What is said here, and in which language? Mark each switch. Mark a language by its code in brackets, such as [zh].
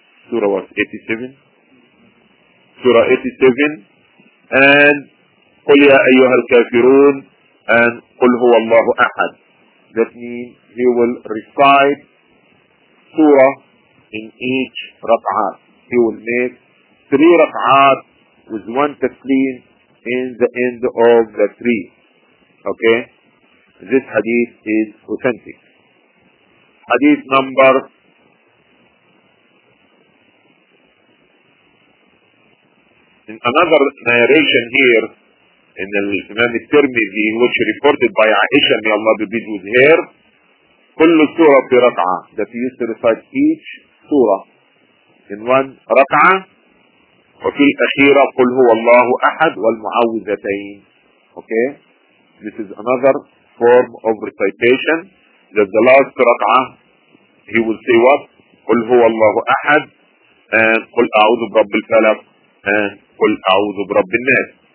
[en] Surah was 87. Surah 87. And [ar] قل يا أيها الكافرون [en] and [ar] قل هو الله أحد. [en] That means he will recite surah in each rak'ah. He will make three rak'ah with one tasleem in the end of the three. Okay? This hadith is authentic. Hadith number 2. In another narration here, in the Imam al-Tirmidhi, which reported by Aisha, may Allah be pleased with her, [ar] كل سورة في ركعة, [en] that he used to recite each surah in one ركعة, [ar] وفي الأخيرة قل هو الله أحد والمعوذتين. [en] Okay? This is another form of recitation, that the last ركعة he will say what? [ar] قل هو الله أحد [en] and [ar] قل أعوذ برب الفلق [en] and [ar] قل أعوذ برب الناس.